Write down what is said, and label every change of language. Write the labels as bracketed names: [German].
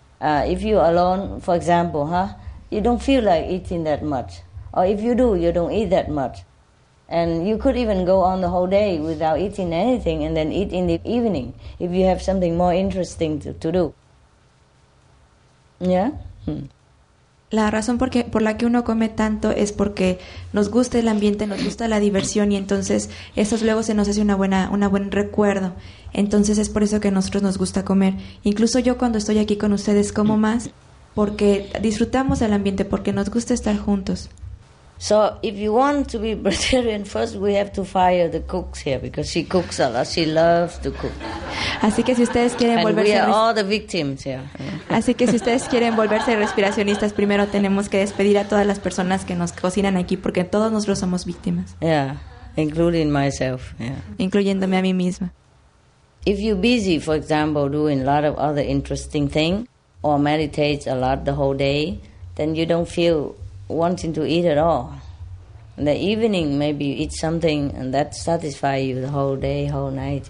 [English] If you alone, for example, huh, you don't feel like eating that much, or if you do, you don't eat that much, and you could even go on the whole day without eating anything and then eat in the evening if you have something more interesting to do. Yeah. [Spanish] La razón por la que uno come tanto es porque nos gusta el ambiente, nos gusta la diversión, y entonces eso luego se nos hace una buen recuerdo. Entonces es por eso que a nosotros nos gusta comer. Incluso yo cuando estoy aquí con ustedes como más porque disfrutamos el ambiente, porque nos gusta estar juntos. [English] So if you want to be vegetarian, first we have to fire the cooks here because she cooks a lot. She loves to cook. [Spanish] Así que si ustedes quieren volverse, [English] and we are all the victims here. [Spanish] Así que si ustedes quieren volverse respiracionistas, primero tenemos que despedir a todas las personas que nos cocinan aquí, porque todos nosotros somos víctimas. [English] Yeah, including myself. Yeah. [Spanish] Incluyéndome a mí misma. [English] If you're busy, for example, doing a lot of other interesting thing, or meditate a lot the whole day, then you don't feel wanting to eat at all. In the evening, maybe you eat something and that satisfies you the whole day, whole night.